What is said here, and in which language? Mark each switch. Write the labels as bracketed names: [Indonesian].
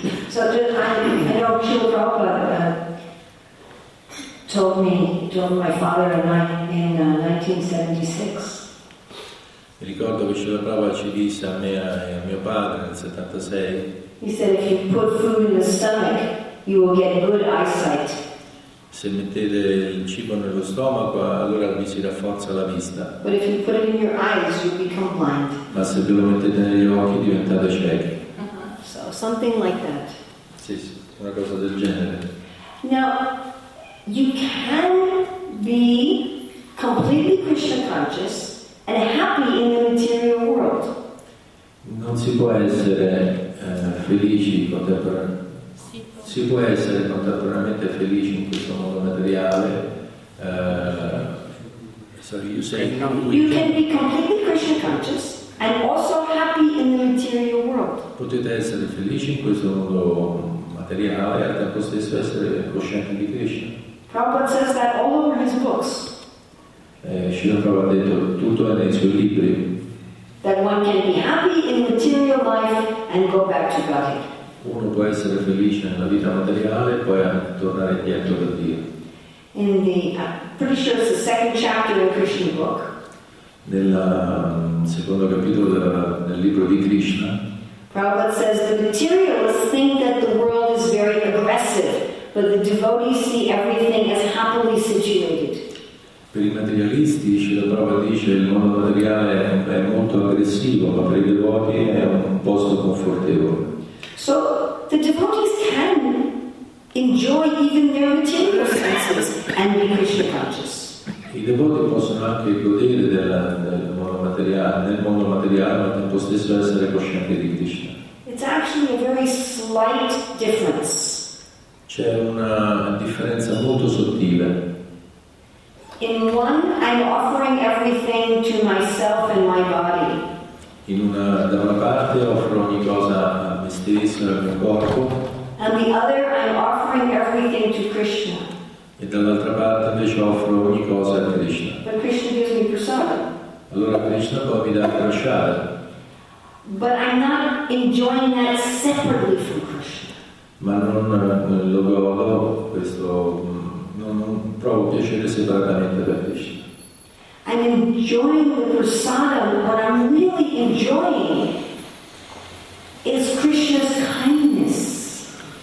[English] So just I know Srila Prabhupada told my father and I in 1976. [Italian] Mi ricordo che Srila Prabhupada ci disse a me e a mio padre nel 76. [English] He said if you put food in the stomach, you will get good eyesight. [Italian] Se mettete il cibo nello stomaco, allora vi si rafforza la vista. [English] But if you put it in your eyes, you become blind. [Italian] Ma se ve lo mettete negli occhi, diventate ciechi. [English] Something like that. [Italian] Sì, sì, una cosa del genere. [English] Now, you can be completely Krishna conscious and happy in the material world. [Italian] Non si può essere felici contemporaneamente. Si può essere contemporaneamente felici in questo mondo materiale. [English] So you say you can be completely Krishna conscious and also happy in the material world. [Italian] Potete essere felici in questo mondo materiale e al tempo stesso essere coscienti di Krishna. [English] Prabhupada says that all over his books. [Italian] Srila Prabhupada ha detto tutto è nei suoi libri. [English] That one can be happy in material life and go back to Godhead. [Italian] Uno può essere felice nella vita materiale e poi tornare indietro per Dio. [English] In the pretty sure it's the second chapter of the Krishna book. [Italian] Nella secondo capitolo del libro di Krishna. [English] Prabhupada says the materialists think that the world is very aggressive, but the devotees see everything as happily situated. [Italian] Per i materialisti, Srila Prabhupada dice il mondo materiale è molto aggressivo, ma per i devoti è un posto confortevole. [English] So the devotees can enjoy even their material senses and be Krishna conscious. [Italian] I devoti possono anche godere nel mondo materiale, ma al tempo stesso essere coscienti di Krishna. [English] It's actually a very slight difference. [Italian] C'è una differenza molto sottile. [English] In one, I'm offering everything to myself and my body. [Italian] Da una parte offro ogni cosa a me stesso e al mio corpo. [English] And the other, I'm offering everything to Krishna. [Italian] E dall'altra parte invece offro ogni cosa a Krishna. [English] But Krishna gives me prasada. [Italian] Allora Krishna poi mi dà prasada. [English] But I'm not enjoying that separately from Krishna. [Italian] Ma non lo godo questo, non provo piacere separatamente da Krishna. [English] I'm enjoying the prasada, what I'm really enjoying is Krishna's kindness.